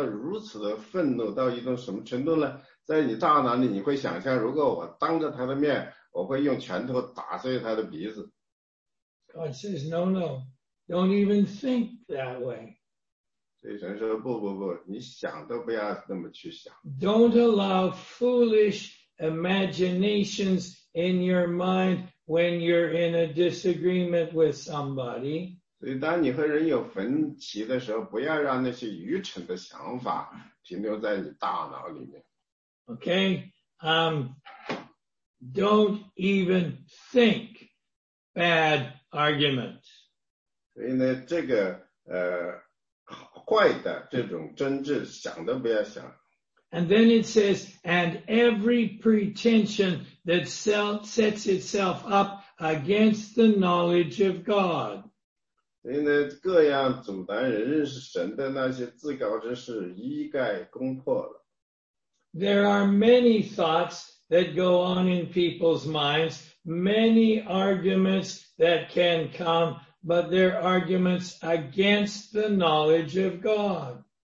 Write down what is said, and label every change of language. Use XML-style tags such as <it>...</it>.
<zh>那有时候你会对一个人感到如此的愤怒到一种什么程度呢？在你大脑里，你会想象，如果我当着他的面，我会用拳头打碎他的鼻子。</zh> <en>God says, no, no, don't even think that way.</en> <zh>所以神说，不不不，你想都不要那么去想。</zh> <en>Don't allow foolish imaginations in your mind when you're in a disagreement with somebody.</en> <zh>所以当你和人有分歧的时候，不要让那些愚蠢的想法停留在你大脑里面。</zh> <en>Okay, don't even think bad arguments.</en> <zh>所以呢，这个坏的, 这种真挚, 想都不要想。</zh> <en>And then it says, and every pretension that sets itself up against the knowledge of God.</en> <zh>所以呢,各样阻拦人认识神的那些自高之事一概攻破了。</zh> <en>There are many thoughts that go on in people's minds, many arguments that can come, but they're arguments against the knowledge of God.</en>